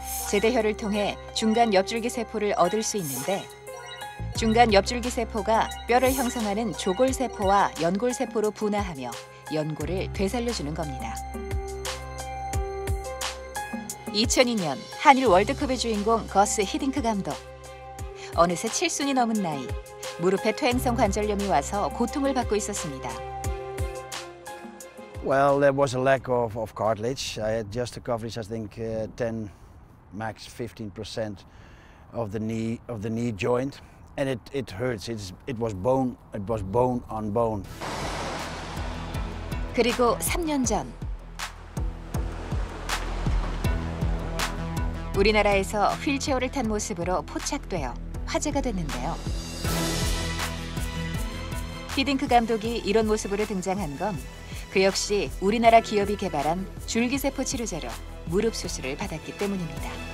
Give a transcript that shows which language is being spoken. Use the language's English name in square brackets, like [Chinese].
[Korean] 제대혈을 통해 중간 옆줄기세포를 얻을 수 있는데 중간 옆줄기세포가 뼈를 형성하는 조골세포와 연골세포로 분화하며 연골을 되살려주는 겁니다. 2002년 한일 월드컵의 주인공 거스 히딩크 감독. 어느새 7순이 넘은 나이, 무릎에 퇴행성 관절염이 와서 고통을 받고 있었습니다. [English] Well, there was a lack of cartilage. I had just a coverage, I think, 10, max 15% of the knee joint, and it hurts. It was bone on bone. [Korean] 그리고 3년 전 우리나라에서 휠체어를 탄 모습으로 포착되어 화제가 됐는데요. 히딩크 감독이 이런 모습으로 등장한 건 그 역시 우리나라 기업이 개발한 줄기세포 치료제로 무릎 수술을 받았기 때문입니다.